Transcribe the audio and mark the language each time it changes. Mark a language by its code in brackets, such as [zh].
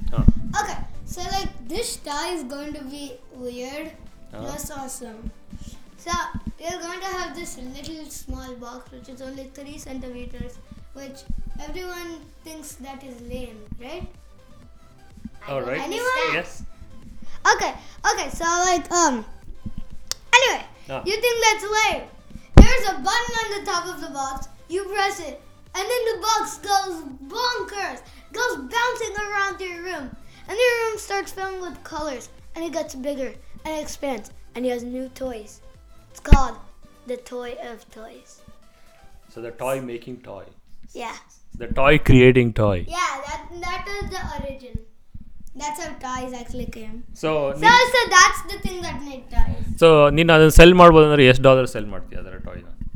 [en] ಹಾ, okay, so like this toy is going to be weird plus awesome. So you are going to have this little small box which is only 3 centimetres which everyone thinks that is lame, right? All right. Anyone? Yes. Okay. So like anyway, you think that's lame. There's a button on the top of the box. You press it and then the box goes bonkers. Goes bouncing around your room. And your room starts filling with colors and it gets bigger and expands and you have new toys. It's called the toy of toys. So the toy making toy. Yeah. The toy creating toy. Yeah, that is the origin. That's how toys actually came. So, so that's the thing that made toys. [kn] So, ನೀನು ಅದನ್ನು cell ಮಾಡ್ಬೋದು ಅಂದ್ರೆ ಎಷ್ಟು dollar cell ಮಾಡ್ತೀಯ ಅದರ ಟಾಯ್ನ?